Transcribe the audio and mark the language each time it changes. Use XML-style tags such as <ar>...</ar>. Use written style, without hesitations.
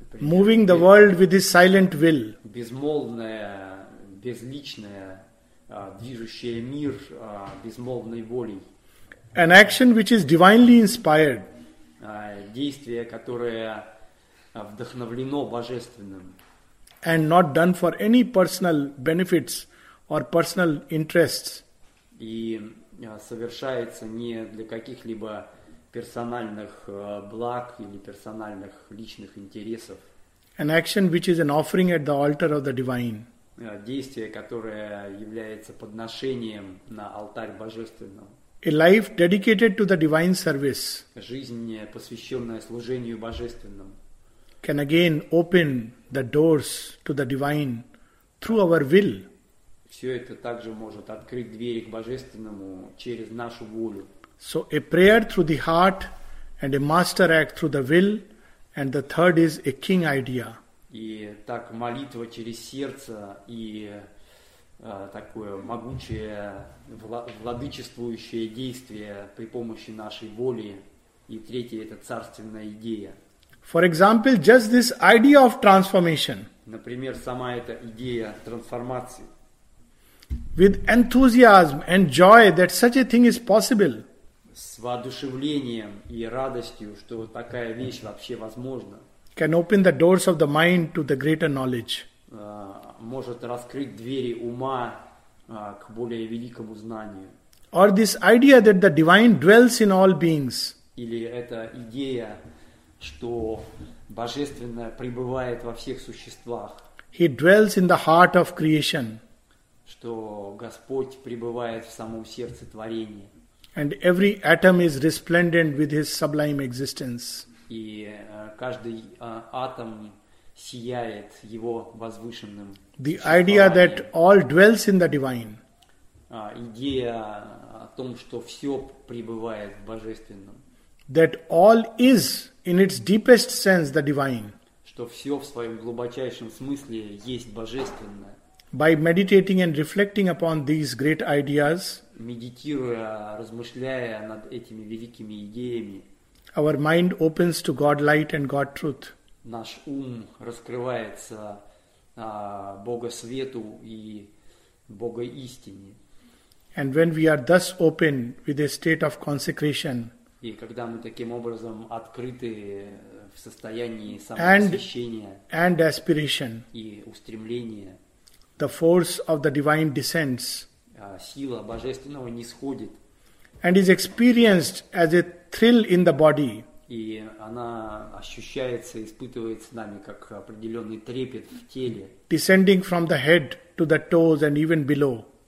<en>Moving the world with his silent will.</en> <ru>Безмолвное, безличное, движущее мир безмолвной волей.</ru> <en>An action which is divinely inspired.</en> <ru>Действие, которое вдохновлено божественным.</ru> <en>And not done for any personal benefits or personal interests.</en> <ru>И совершается не для каких-либо персональных благ или персональных личных интересов.</ru> <en>An action which is an offering at the altar of the divine.</en> <ru>Действие, которое является подношением на алтарь божественного.</ru> <en>A life dedicated to the divine service.</en> <ru>Жизнь, посвященная служению божественному.</ru> <en>Can again open the doors to the divine through our will.</en> <ru>Все это также может открыть двери к божественному через нашу волю.</ru> <en>So a prayer through the heart and a master act through the will, and the third is a king idea.</en> <ru>И так молитва через сердце и такое могучее владычествующее действие при помощи нашей воли, и третье — это царственная идея.</ru> <en>For example, just this idea of transformation.</en> <ru>Например, сама эта идея трансформации.</ru> <en>With enthusiasm and joy that such a thing is possible.</en> <ru>С воодушевлением и радостью, что такая вещь вообще возможна.</ru> <en>Can open the doors of the mind to the greater knowledge.</en> <ru>Может раскрыть двери ума к более великому знанию.</ru> <en>Or this idea that the divine dwells in all beings.</en> <ru>Или эта идея, что божественное пребывает во всех существах.</ru> <en>He dwells in the heart of creation.</en> <ru>Что Господь пребывает в самом сердце творения.</ru> <en>And every atom is resplendent with his sublime existence.</en> <ru>И каждый атом сияет его возвышенным.</ru> <en>The idea that all dwells in the divine.</en> <ru>Идея о том, что все пребывает в божественном.</ru> <en>That all is in its deepest sense the divine.</en> <ru>Что все в своем глубочайшем смысле есть божественное.</ru> <en>By meditating and reflecting upon these great ideas.</en> <ru>Медитируя, размышляя над этими великими идеями.</ru> <en>Our mind opens to God light and God truth.</en> <ru>Наш ум раскрывается Богосвету и Богоистине.</ru> <en>And when we are thus open with a state of consecration.</en> <ru>И когда мы таким образом открыты в состоянии самопосвящения</ru> <en>and aspiration,</en> <ru>и устремления,</ru> <en>the force of the divine descends,</en> <ru>сила божественного нисходит,</ru> <en>and is experienced as a thrill in the body,</en> <ru>и она ощущается, испытывается нами как определенный трепет в теле,</ru> <en>descending from the head to the toes and even below,</en>